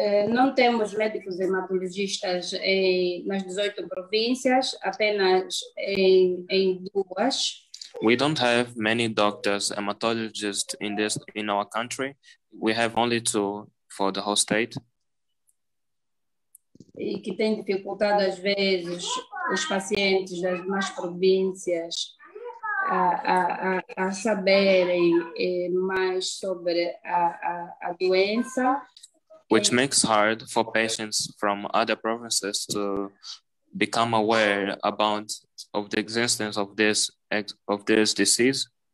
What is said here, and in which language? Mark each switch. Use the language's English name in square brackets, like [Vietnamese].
[Portuguese] Não temos médicos hematologistas nas 18 províncias, apenas em duas. [English] We don't have many doctors hematologists in this in our country. We have only two for the whole state. [Portuguese] E que tem dificultado às vezes os pacientes das demais províncias a saberem mais sobre a doença. [English] Which makes hard for patients from other provinces to become aware about of the existence of this disease.